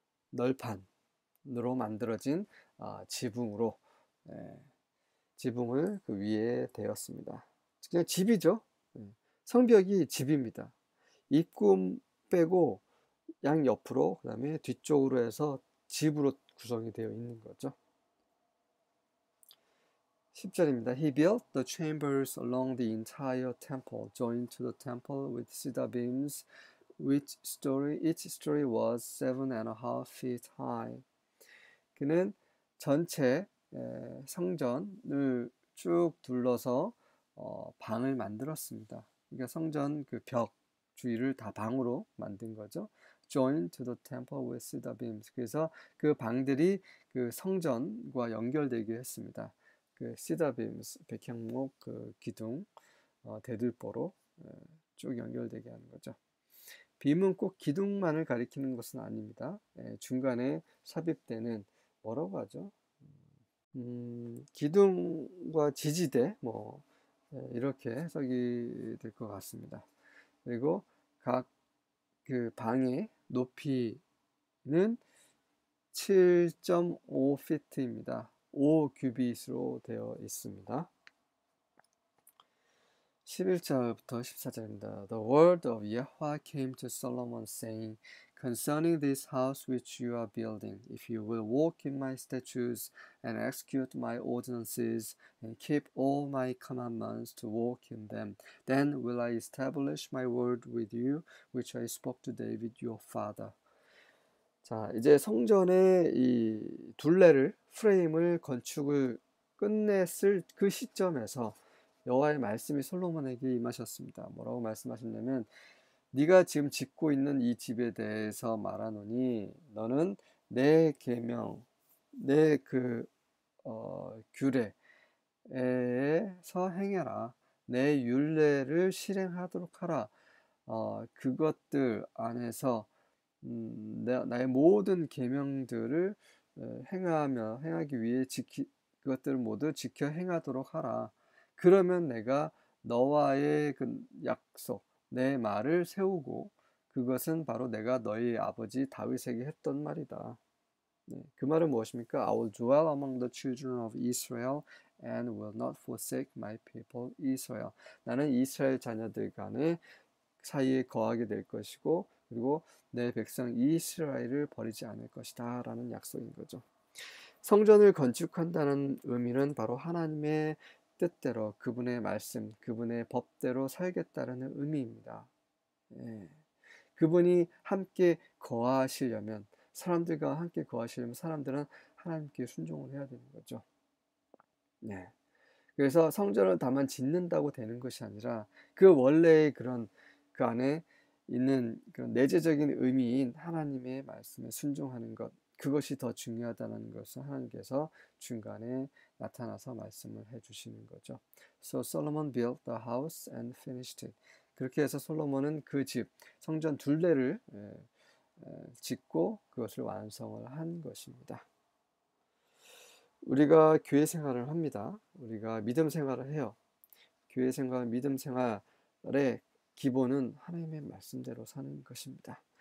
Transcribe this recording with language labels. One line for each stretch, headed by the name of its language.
Korean: 널판으로 만들어진 지붕으로 지붕을 그 위에 대었습니다. 그냥 집이죠. 성벽이 집입니다. 입구 빼고 양옆으로 그다음에 뒤쪽으로 해서 집으로 구성이 되어 있는 거죠. 10절입니다.
English: He built the chambers along the entire temple, joined to the temple with cedar beams, each story was 7.5 feet high.
Korean: 그는 전체 성전을 쭉 둘러서 방을 만들었습니다. 그러니까 성전 그벽 주위를 다 방으로 만든 거죠.
English: joined to the temple with cedar beams.
Korean: 그래서 그 방들이 그 성전과 연결되기 했습니다. 그
English: cedar beams,
Korean: 백향목 그 기둥, 대들보로 쭉 연결되게 하는 거죠. 빔은 꼭 기둥만을 가리키는 것은 아닙니다. 중간에 삽입되는 뭐라고 하죠? 기둥과 지지대, 뭐 이렇게 해석이 될것 같습니다. 그리고 각그 방의 높이는 7.5피트입니다. 5 규빗으로 되어 있습니다. 11절부터 14절입니다.
English: The word of Yahweh came to Solomon saying, Concerning this house which you are building, if you will walk in my statutes and execute my ordinances and keep all my commandments to walk in them, then will I establish my word with you, which I spoke to David your father.
Korean: 자, 이제 성전의 이 둘레를 프레임을 건축을 끝냈을 그 시점에서 여호와의 말씀이 솔로몬에게 임하셨습니다. 뭐라고 말씀하셨냐면, 네가 지금 짓고 있는 이 집에 대해서 말하노니 너는 내 계명, 내그 규례에서 행해라. 내 율례를 실행하도록 하라. 그것들 안에서 나의 모든 계명들을 행하기 위해 그것들을 모두 지켜 행하도록 하라. 그러면 내가 너와의 그 약속, 내 말을 세우고 그것은 바로 내가 너희 아버지 다윗에게 했던 말이다. 그 말은 무엇입니까?
English: I will dwell among the children of Israel and will not forsake my people Israel.
Korean: 나는 이스라엘 자녀들 간에 사이에 거하게 될 것이고 그리고 내 백성 이스라엘을 버리지 않을 것이다 라는 약속인 거죠. 성전을 건축한다는 의미는 바로 하나님의 뜻대로 그분의 말씀, 그분의 법대로 살겠다는 의미입니다. 예. 그분이 함께 거하시려면, 사람들과 함께 거하시려면 사람들은 하나님께 순종을 해야 되는 거죠. 예. 그래서 성전을 다만 짓는다고 되는 것이 아니라 그 원래의 그런 그 안에 있는 그런 내재적인 의미인 하나님의 말씀에 순종하는 것, 그것이 더 중요하다는 것을 하나님께서 중간에 나타나서 말씀을 해주시는 거죠.
English: So Solomon built the house and finished it.
Korean: 그렇게 해서 솔로몬은 그 집, 성전 둘레를 짓고 그것을 완성을 한 것입니다. 우리가 교회 생활을 합니다. 우리가 믿음 생활을 해요. 교회 생활, 믿음 생활의 기본은 하나님의 말씀대로 사는 것입니다.